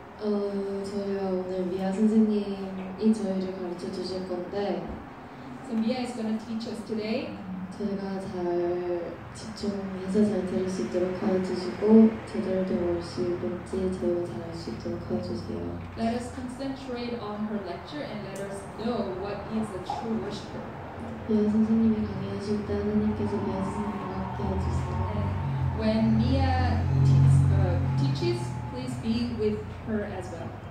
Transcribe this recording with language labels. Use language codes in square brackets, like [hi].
[ko] 저희가 오늘 미아 선생님이 저희를 가르쳐 주실 건데 [en] So Mia is going to teach us today. [ko] 제가 잘 집중해서 잘 들을 수 있도록 도와주시고 제대로 들을 수 있는지 제대로 잘할 수 있도록 도와주세요. [en] Let us concentrate on her lecture and let us know what is a true worshiper. [ko] 미아 선생님이 강의하실 때 하나님께서 미아 선생님과 함께 해주세요. [en] When Mia teaches, please be with her as well.